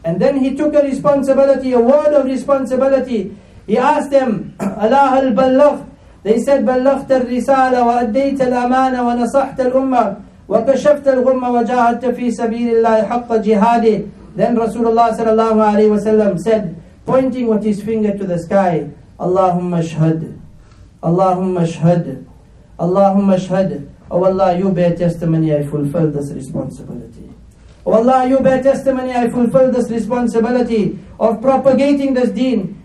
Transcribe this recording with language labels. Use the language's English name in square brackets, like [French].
[English] And then he took a responsibility, a word of responsibility. He asked them, Allah al-Ballagh. They said, [Arabic] بلغت الرسالة وأديت الأمانة ونصحت الأمة وكشفت الغمة وجاهدت في سبيل الله حق جهاده. [English] Then Rasulullah sallallahu alayhi wa sallam said, pointing with his finger to the sky, Allahumma ashhad, Allahumma ashhad, Allahumma ashhad. Oh Allah, you bear testimony, I fulfill this responsibility. Oh Allah, you bear testimony, I fulfill this responsibility of propagating this deen.